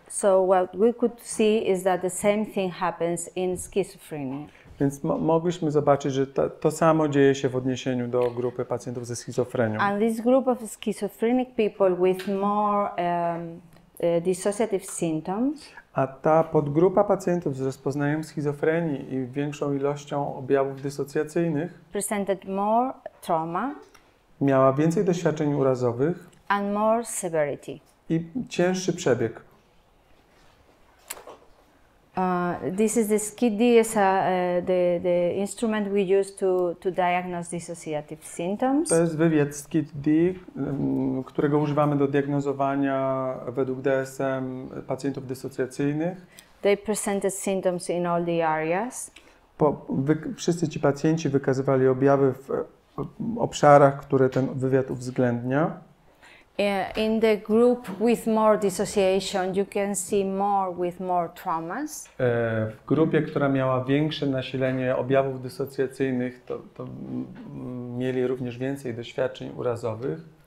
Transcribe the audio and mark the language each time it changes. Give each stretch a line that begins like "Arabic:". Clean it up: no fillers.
English: So what we could see is that the same thing happens in schizophrenia.
Polish: Więc mogliśmy zobaczyć, że to samo dzieje się w odniesieniu do grupy pacjentów ze schizofrenią.
English: And this group of schizophrenic people with more dissociative symptoms.
Polish: A ta podgrupa pacjentów z rozpoznaniem schizofrenii i większą ilością objawów dysocjacyjnych
English: presented more trauma,
Polish: miała więcej doświadczeń urazowych
English: and more severity.
Polish: I cięższy przebieg.
English: This is the SCID, the instrument we use to diagnose dissociative symptoms.
Polish: To jest wywiad SCID, którego używamy do diagnozowania według DSM pacjentów dysocjacyjnych.
English: They presented symptoms in all the areas.
Polish: Wszyscy ci pacjenci wykazywali objawy w obszarach, które ten wywiad uwzględnia.
English: In the group with more dissociation, you can see more with more traumas.
Polish: W grupie, która miała większe nasilenie objawów dysocjacyjnych, to mieli również więcej doświadczeń urazowych.